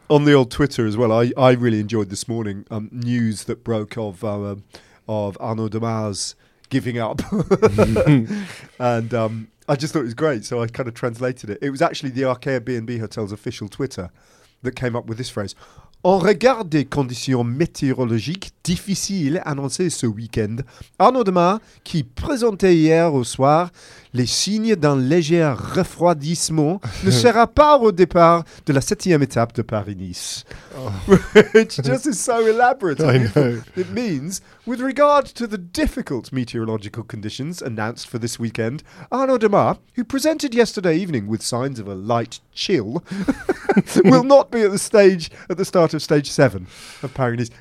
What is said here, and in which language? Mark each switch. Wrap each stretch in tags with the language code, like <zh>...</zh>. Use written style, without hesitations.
<en>On the old Twitter as well, I really enjoyed this morning news that broke of Arnaud Demare's giving up. And I just thought it was great, so I kind of translated it. It was actually the Arkea B&B Hotel's official Twitter that came up with this phrase.</en> <fr>En regard des conditions météorologiques difficiles annoncées ce week-end, Arnaud Demare, qui présentait hier au soir les signes d'un léger refroidissement, ne sera pas au départ de la septième étape de Paris-Nice.</fr> <en>Oh. It just is so elaborate. I know. It means, with regard to the difficult meteorological conditions announced for this weekend, Arnaud Demare, who presented yesterday evening with signs of a light chill, will not be at the stage at the start of stage 7 of Paris-Nice.</en>